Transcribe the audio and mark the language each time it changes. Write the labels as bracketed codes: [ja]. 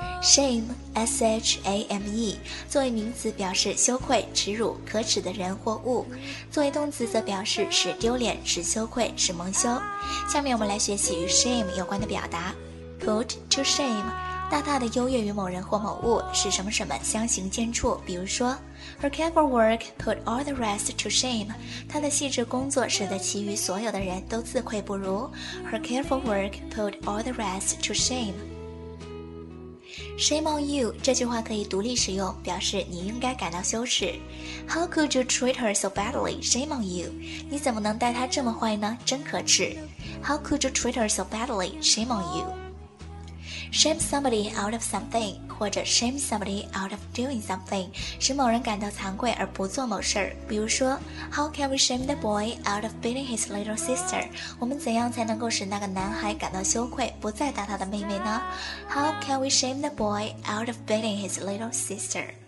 [zh] Shame, S-H-A-M-E, 作为名词表示羞愧、耻辱、可耻的人或物，作为动词则表示使丢脸、使羞愧、使蒙羞。下面我们来学习与 shame 有关的表达。 [en] Put to shame. [zh] 大大的优越于某人或某物，是什么什么相形见绌。比如说 [en] ，Her careful work put all the rest to shame. [zh] 她的细致工作使得其余所有的人都自愧不如。 [en] Her careful work put all the rest to shame. Shame on you [zh] 这句话可以独立使用，表示你应该感到羞耻。 [en] How could you treat her so badly? Shame on you [zh] 你怎么能待她这么坏呢？真可耻。 [en] How could you treat her so badly? Shame on you。 Shame somebody out of something [zh] 或者 [en] shame somebody out of doing something [zh] 使某人感到惭愧而不做某事，比如说 [en] How can we shame the boy out of beating his little sister? [zh] 我们怎样才能够使那个男孩感到羞愧，不再打他的妹妹呢？ [en] How can we shame the boy out of beating his little sister?